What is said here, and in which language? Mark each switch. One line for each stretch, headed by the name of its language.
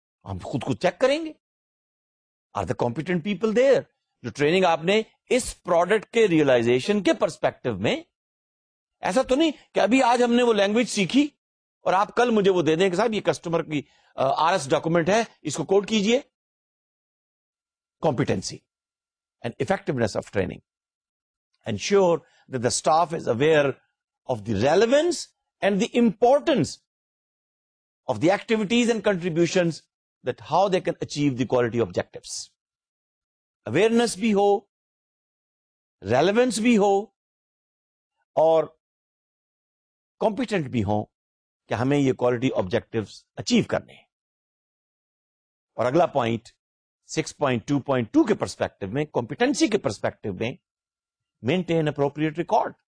Urdu: ہم خود کو چیک کریں گے,
English: are the competent people there,
Urdu: جو ٹریننگ آپ نے اس پروڈکٹ کے ریئلائزیشن کے پرسپیکٹو میں. ایسا تو نہیں کہ ابھی آج ہم نے وہ لینگویج سیکھی اور آپ کل مجھے وہ دے دیں کہ صاحب یہ کسٹمر کی آر ایس ڈاکومنٹ ہے, اس کو کوڈ کیجئے.
English: Competency and effectiveness of training, ensure that the staff is aware of the relevance and the importance of the activities and contributions that how they can achieve the quality objectives.
Urdu: Awareness بھی ہو, relevance بھی ہو, اور competent بھی ہو کہ ہمیں یہ quality objectives achieve کرنے ہیں. اور اگلا پوائنٹ 6.2.2 کے پرسپیکٹو میں, کمپیٹنسی کے پرسپیکٹو میں,
English: Maintain appropriate record.